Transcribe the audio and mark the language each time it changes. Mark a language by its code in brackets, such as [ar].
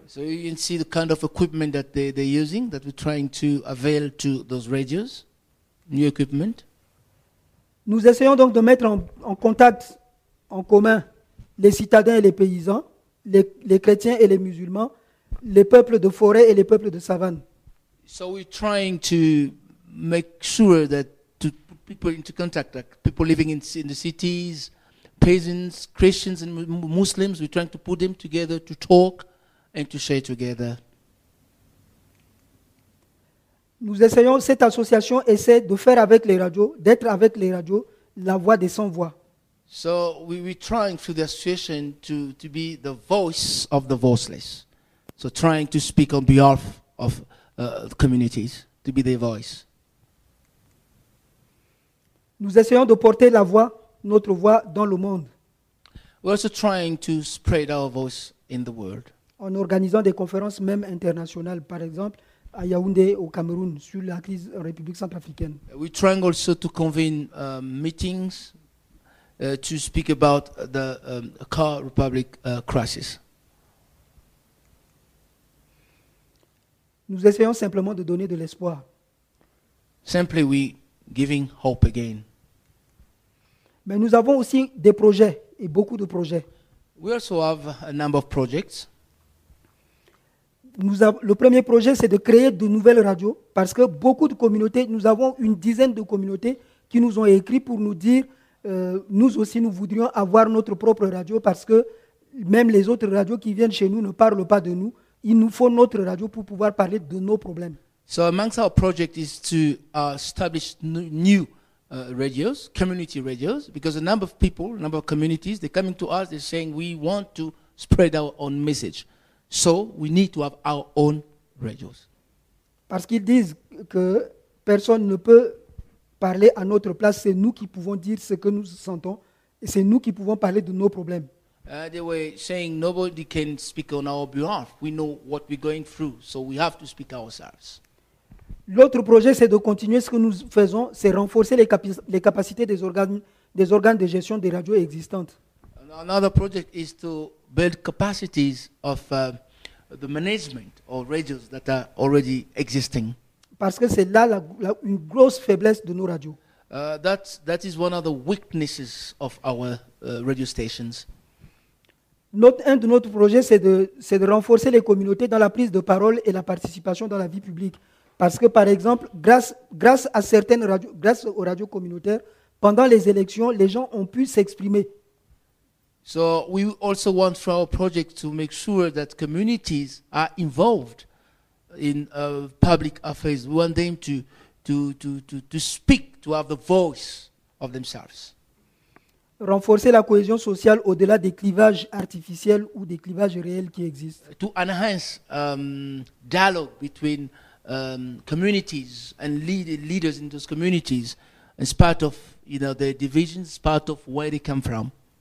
[en] So you can see the kind of equipment that they're using, that we're trying to avail to those radios, new equipment. [fr] Nous essayons donc de mettre en contact, en commun, les citadins et les paysans, les chrétiens et les musulmans, les peuples de forêt et les peuples de savane. [en] So we're trying to make sure that to put people into contact, like people living in the cities, peasants, Christians and Muslims, we're trying to put them together to talk and to share together. [fr] Nous essayons, cette association essaie de faire avec les radios, d'être avec les radios, la voix des sans voix. [en] So we're trying through the association to be the voice of the voiceless. So trying to speak on behalf of communities, to be their voice. [fr] Nous essayons de porter la voix, notre voix, dans le monde. [en] We're also trying to spread our voice in the world. [fr] En organisant des conférences même internationales, par exemple, à Yaoundé, au Cameroun, sur la crise en République centrafricaine. [en] We're trying also to convene meetings to speak about the CAR Republic crisis. [fr] Nous essayons simplement de donner de l'espoir. [en] Simply we giving hope again. [fr] Mais nous avons aussi des projets et beaucoup de projets. [en] We also have a number of projects. [fr] Le premier projet, c'est de créer de nouvelles radios parce que beaucoup de communautés, nous avons une dizaine de communautés qui nous ont écrit pour nous dire nous aussi, nous voudrions avoir notre propre radio parce que même les autres radios qui viennent chez nous ne parlent pas de nous. Il nous faut notre radio pour pouvoir parler de nos problèmes. [en] So amongst our project is to establish new radios, community radios, because a number of people, a number of communities, they're coming to us, they're saying we want to spread our own message. So we need to have our own radios. [fr] Parce qu'ils disent que personne ne peut parler à notre place, c'est nous qui pouvons dire ce que nous sentons et c'est nous qui pouvons parler de nos problèmes. [en] They were saying nobody can speak on our behalf. We know what we're going through, so we have to speak ourselves. [fr] L'autre projet, c'est de continuer ce que nous faisons, c'est renforcer les capacités des organes de gestion des radios existantes. [en] Another project is to build capacities of the management of radios that are already existing. [fr] Parce que c'est là une grosse faiblesse de nos radios. [en] That is one of the weaknesses of our radio stations. [fr] Un de notre projet, c'est de renforcer les communautés dans la prise de parole et la participation dans la vie publique. Parce que, par exemple, grâce à certaines radios, grâce aux radios communautaires, pendant les élections, les gens ont pu s'exprimer. [en] So we also want for our project to make sure that communities are involved in public affairs. We want them to speak, to have the voice of themselves. [fr] Renforcer la cohésion sociale au-delà des clivages artificiels ou des clivages réels qui existent. [en] To enhance dialogue between communities and leaders in those communities, as part of their divisions, part of where they come from.